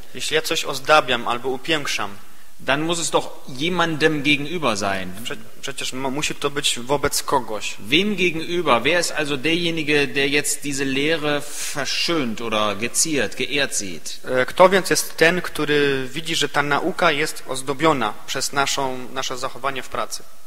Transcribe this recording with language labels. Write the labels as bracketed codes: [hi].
[pl] jeśli ja coś ozdabiam albo upiększam, [de] dann muss es doch jemandem gegenüber sein. [pl] Przecież musi to być wobec kogoś. [de] Wem gegenüber? Wer ist also derjenige, der jetzt diese Lehre verschönt oder geziert, geehrt sieht? [pl] Kto więc jest ten, który widzi, że ta nauka jest ozdobiona przez nasze zachowanie w pracy?